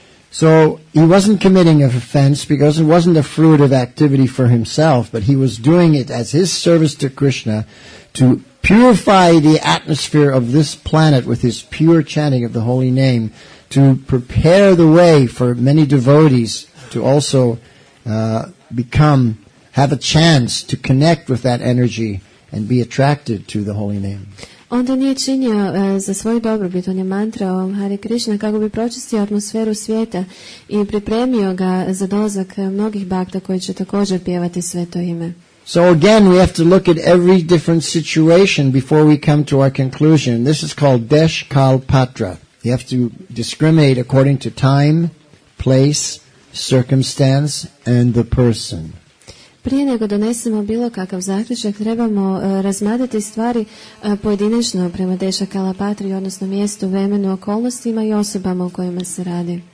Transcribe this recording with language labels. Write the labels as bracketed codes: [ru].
[en] So he wasn't committing an offense because it wasn't a fruit of activity for himself, but he was doing it as his service to Krishna to purify the atmosphere of this planet with his pure chanting of the holy name to prepare the way for many devotees to also become, have a chance to connect with that energy and be attracted to the holy name. [hr] On to nije činio za svoju dobrobit, on je mantrao Hare Krishna kako bi pročistio atmosferu svijeta i pripremio ga za dolazak mnogih bhakta koji će također pjevati sveto ime. [en] So again we have to look at every different situation before we come to our conclusion. This is called Deshkal Patra. You have to discriminate according to time, place, circumstance and the person. [hr] Prije nego donesemo bilo kakav zaključak, trebamo razmatrati stvari pojedinačno prema Deshkala Patri, odnosno mjestu, vremenu, okolnostima i osobama u kojima se radi.